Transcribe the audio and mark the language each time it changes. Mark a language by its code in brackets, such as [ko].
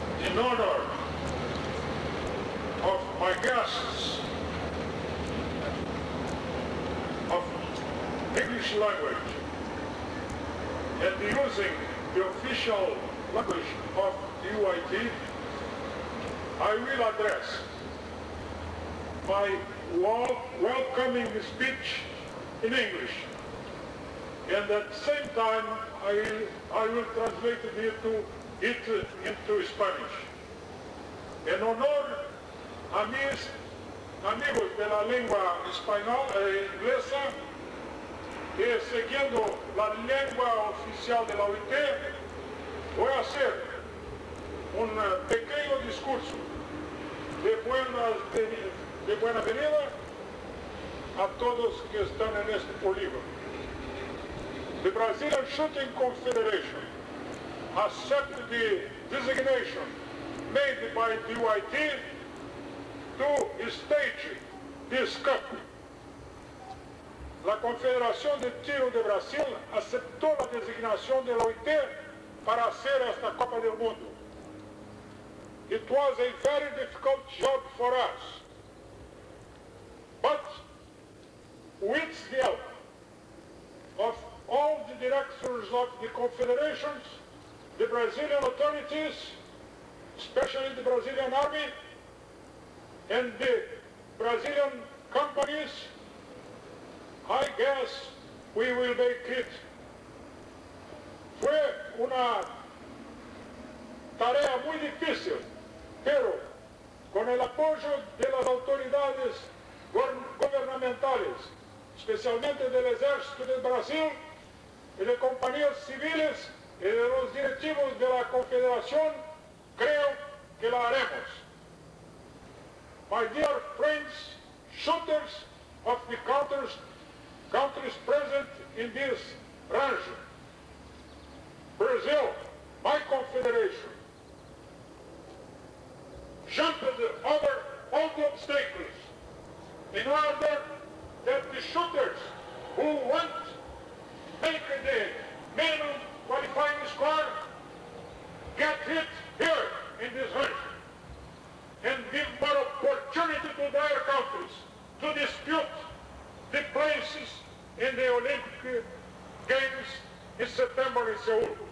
[en] In honor of my guests of English language and using the official language of the UIT, I will address my welcoming speech in English, and at the same time I will translate it into Spanish. [es] En honor a mis amigos de la lengua española inglesa, y siguiendo la lengua oficial de la OIT, voy a hacer un pequeño discurso de buena venida a todos que están en este polígono. [en] The Brazilian Shooting Confederation accepted the designation made by the UIT to stage this cup. [es] La Confederación de Tiro de Brasil aceptó la designación de la OIT para hacer esta Copa del Mundo. [en] It was a very difficult job for us, but with the help of all the directors of the confederations, the Brazilian authorities, especially the Brazilian Army and the Brazilian companies, I guess we will make it. [es] Fue una tarea muy difícil, pero con el apoyo de las autoridades gubernamentales, especialmente del Ejército de Brasil y de compañías civiles y de los directivos de la Confederación, creo que la haremos. [en] My dear friends, shooters of the countries present in this range, Brazil, my confederation, jumped over all the obstacles in order that the shooters who want make the minimum qualifying score get hit here in this range and give more opportunity to their countries to dispute the places in the Olympic Games in September in Seoul.